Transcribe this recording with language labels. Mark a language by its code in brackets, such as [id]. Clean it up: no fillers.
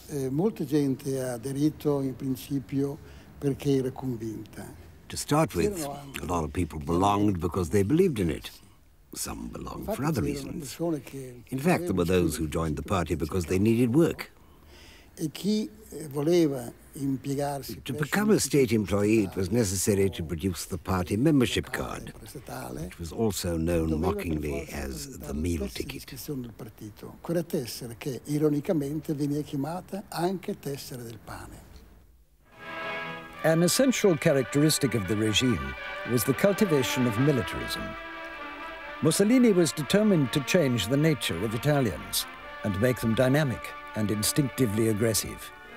[it] Molta gente ha aderito in principio perché era convinta. [en] To start with, a lot of people belonged because they believed in it. Some belonged for other reasons. In fact, there were those who joined the party because they needed work. To become a state employee, it was necessary to produce the party membership card. It was also known mockingly as the meal ticket. [it] Quella tessera che ironicamente veniva chiamata anche tessera del pane. [en] An essential characteristic of the regime was the cultivation of militarism. Mussolini was determined to change the nature of Italians and make them dynamic and instinctively aggressive.